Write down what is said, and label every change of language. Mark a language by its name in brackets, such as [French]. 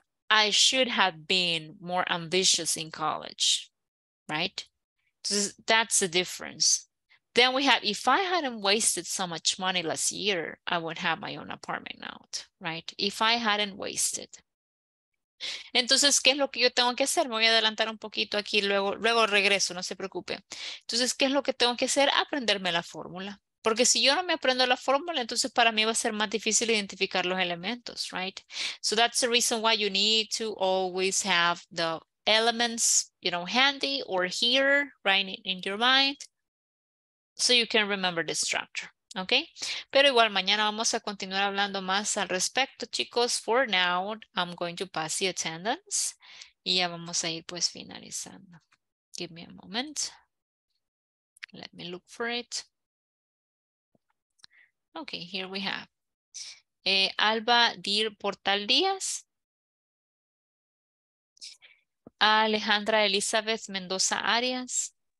[English] I should have been more ambitious in college, right? So that's the difference. Then we have, if I hadn't wasted so much money last year, I would have my own apartment now, right? If I hadn't wasted. [Spanish] Entonces, ¿qué es lo que yo tengo que hacer? Me voy a adelantar un poquito aquí, luego regreso, no se preocupe. Entonces, ¿qué es lo que tengo que hacer? Aprenderme la fórmula. Porque si yo no me aprendo la fórmula, entonces para mí va a ser más difícil identificar los elementos, right? [English] So that's the reason why you need to always have the elements, you know, handy or here, right, in your mind. So you can remember the structure, okay? [Spanish] Pero igual, mañana vamos a continuar hablando más al respecto, chicos. [English] For now, I'm going to pass the attendance. [Spanish] Y ya vamos a ir, pues, finalizando. [English] Give me a moment. Let me look for it. Okay, here we have Alba Dir Portal Díaz, Alejandra Elizabeth Mendoza Arias.